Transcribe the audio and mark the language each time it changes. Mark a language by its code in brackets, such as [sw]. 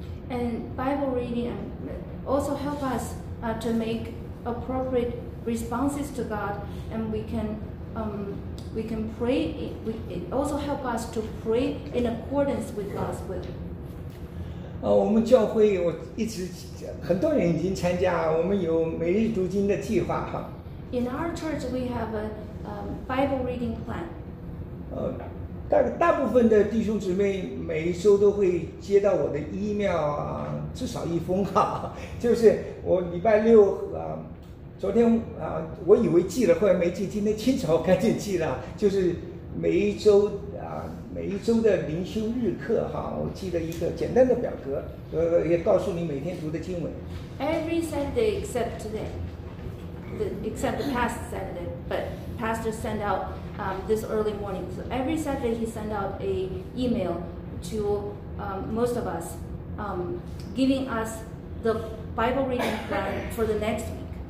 [en] And Bible reading also help us to make appropriate responses to God, and we can pray. It also help us to pray in accordance with God's will. [zh] 我们教会我一直很多人已经参加，我们有每日读经的计划哈。 [en] In our church, we have a Bible reading plan. [zh] 大部分的弟兄姊妹每一周都会接到我的 email 啊，至少一封哈。就是我礼拜六啊，昨天啊，我以为寄了，后来没寄，今天清早赶紧寄了。就是每一周啊，每一周的灵修日课哈，我寄了一个简单的表格，也告诉你每天读的经文。 [en] Every Sunday except today, except the past Saturday, but pastor sent out this early morning. So every Saturday he sent out a email to most of us, giving us the Bible reading plan for the next week.